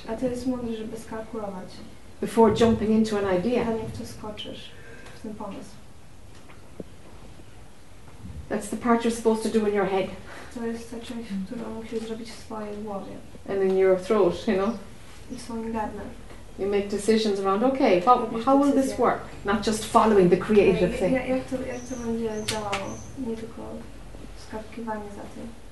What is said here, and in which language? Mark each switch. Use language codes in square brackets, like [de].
[pl] A to jest mądre, żeby skalkulować. [en] Before jumping into an idea. [pl] Zanim to skoczysz w ten pomysł. [en] That's the part you're supposed to do in your head. [pl] To jest ta część, którą musisz zrobić w swojej głowie. [en] And in your throat, you know. [pl] I w swoim gardle. [en] You make decisions around. Okay, how will this work? Not just following the creative thing. [pl] Jak to będzie działało, nie tylko skalkulowanie za tym.